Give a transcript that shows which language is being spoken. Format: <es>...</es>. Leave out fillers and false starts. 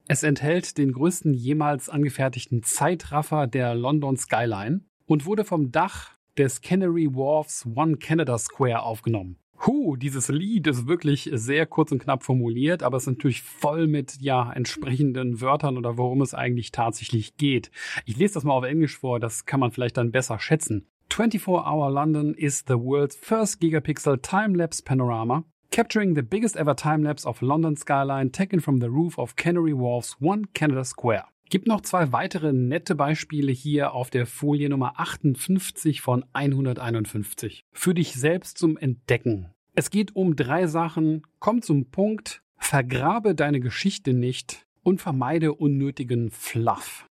<de>Es enthält den größten jemals angefertigten Zeitraffer der London Skyline und wurde vom Dach des Canary Wharfs One Canada Square aufgenommen. Huh, dieses Lied ist wirklich sehr kurz und knapp formuliert, aber es ist natürlich voll mit ja entsprechenden Wörtern oder worum es eigentlich tatsächlich geht. Ich lese das mal auf Englisch vor, das kann man vielleicht dann besser schätzen.</de> <en>24-Hour London is the world's first gigapixel time-lapse panorama, capturing the biggest ever time-lapse of London skyline taken from the roof of Canary Wharf's One Canada Square.</en> <de>Gibt noch zwei weitere nette Beispiele hier auf der Folie Nummer 58 von 151. Für dich selbst zum Entdecken. Es geht um drei Sachen. Komm zum Punkt, vergrabe deine Geschichte nicht und vermeide unnötigen Fluff.</de>